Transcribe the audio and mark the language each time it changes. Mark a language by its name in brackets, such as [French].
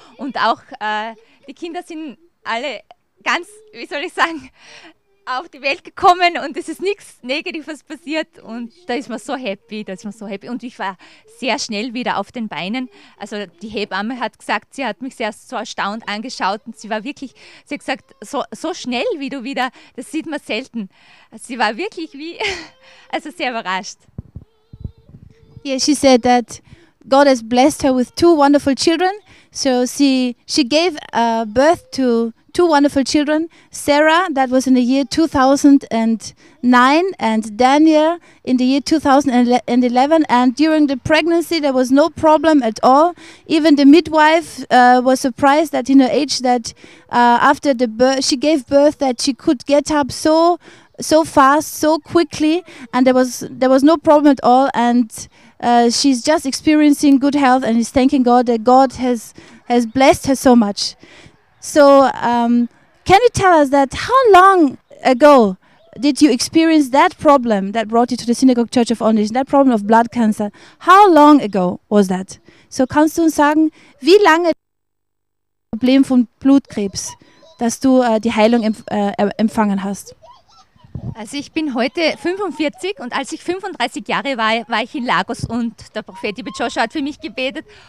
[German] Und auch die Kinder sind alle ganz, wie soll ich sagen, auf die Welt gekommen und es ist nichts Negatives passiert. Und da ist man so happy. Und ich war sehr schnell wieder auf den Beinen. Also die Hebamme hat gesagt, sie hat mich sehr so erstaunt angeschaut und sie hat gesagt, so schnell wie du wieder, das sieht man selten. Sie war wirklich sehr überrascht. [English] Yeah, she said that God has blessed her with 2 wonderful children. So she gave birth to 2 wonderful children, Sarah, that was in the year 2009, and Daniel in the year 2011. And during the pregnancy, there was no problem at all. Even the midwife was surprised that in her age, that after the birth, she gave birth, that she could get up so fast, so quickly, and there was no problem at all. And she's just experiencing good health and is thanking God that God has blessed her so much. So, can you tell us that how long ago did you experience that problem that brought you to the Synagogue Church of All Nations, that problem of blood cancer? How long ago was that? [German] So, kannst du uns sagen, wie lange das Problem von Blutkrebs, dass du die Heilung empfangen hast? Also ich bin heute 45 und als ich 35 Jahre war, war ich in Lagos und der Prophet Ibn Joshua hat für mich gebetet.